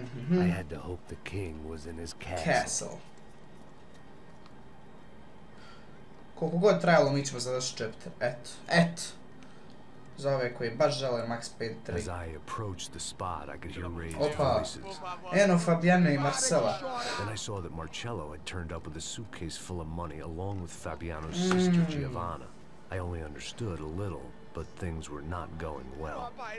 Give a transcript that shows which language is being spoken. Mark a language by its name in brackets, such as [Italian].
[English] I had to hope the king was in his castle. [Croatian] Koliko god trajalo, mi ćemo završiti chapter. Eto. Za ove koji baš žele Max Payne 3. [English] As I approached the spot, I could hear raised voices. [Croatian] Eno Fabiana i Marcella. [English] Then I saw that Marcello had turned up with a suitcase full of money along with Fabiano's sister Giovanna. I only understood a little, but things were not going well.